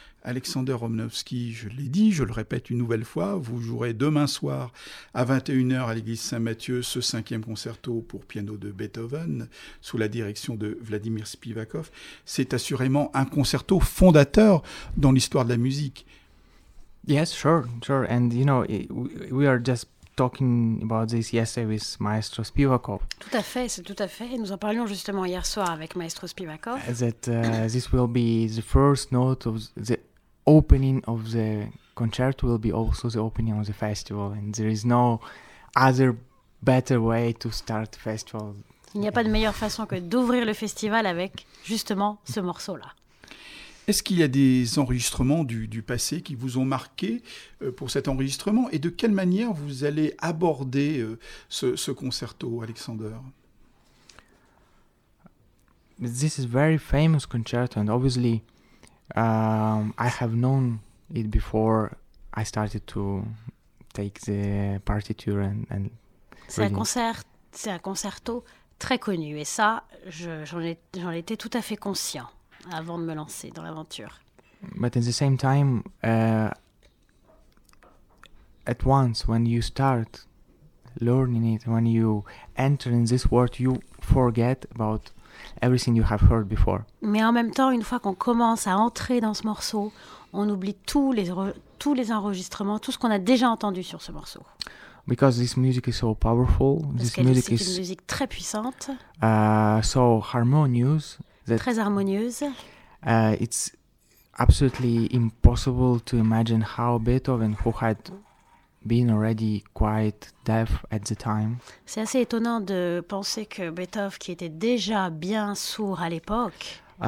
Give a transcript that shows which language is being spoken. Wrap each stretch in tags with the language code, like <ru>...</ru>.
<fr>Alexander Romanowski, je l'ai dit, je le répète une nouvelle fois, vous jouerez demain soir à 21h à l'église Saint-Mathieu ce cinquième concerto pour piano de Beethoven sous la direction de Vladimir Spivakov. C'est assurément un concerto fondateur dans l'histoire de la musique.</fr> <en>Yes, sure, sure. And you know, we are just talking about this yesterday with Maestro Spivakov.</en> <fr>Tout à fait, c'est tout à fait. Nous en parlions justement hier soir avec Maestro Spivakov.</fr> <en>That this will be the first note of the opening of the concerto will be also the opening of the festival, and there is no other better way to start festival.</en> <fr>Il n'y a pas de meilleure façon que d'ouvrir le festival avec justement ce morceau-là. Est-ce qu'il y a des enregistrements du passé qui vous ont marqué pour cet enregistrement, et de quelle manière vous allez aborder ce concerto, Alexander?</fr> <en>This is very famous concerto, and obviously I have known it before I started to take the partiture and</en> <fr>C'est un concerto très connu, et ça, j'en étais tout à fait conscient avant de me lancer dans l'aventure.</fr> <en>But at the same time, at once, when you start learning it, when you enter in this world, you forget about everything you have heard before.</en> <fr>Mais en même temps, une fois qu'on commence à entrer dans ce morceau, on oublie tous les enregistrements, tout ce qu'on a déjà entendu sur ce morceau.</fr> <en>Because this music is so powerful,</en> <fr>c'est une musique très puissante,</fr> <en>so harmonious.</en> <fr>Très harmonieuse.</fr> <en>It's absolutely impossible to imagine how Beethoven, who had been already quite deaf at the time.</en> <fr>C'est assez étonnant de penser que Beethoven, qui était déjà bien sourd à l'époque,</fr>